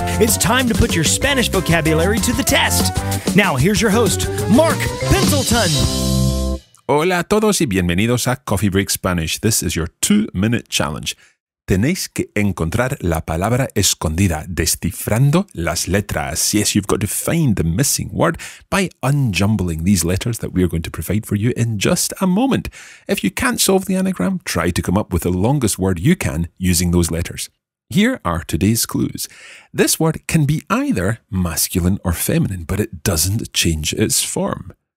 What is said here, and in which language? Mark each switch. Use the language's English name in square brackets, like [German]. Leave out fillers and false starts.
[English] It's time to put your Spanish vocabulary to the test. Now, here's your host, Mark Pendleton. [Spanish] Hola a todos y bienvenidos a Coffee Break Spanish. [English] This is your 2-Minute Challenge. [Spanish] Tenéis que encontrar la palabra escondida descifrando las letras. [English] Yes, you've got to find the missing word by unjumbling these letters that we are going to provide for you in just a moment. If you can't solve the anagram, try to come up with the longest word you can using those letters. Here are today's clues. This word can be either masculine or feminine, but it doesn't change its form.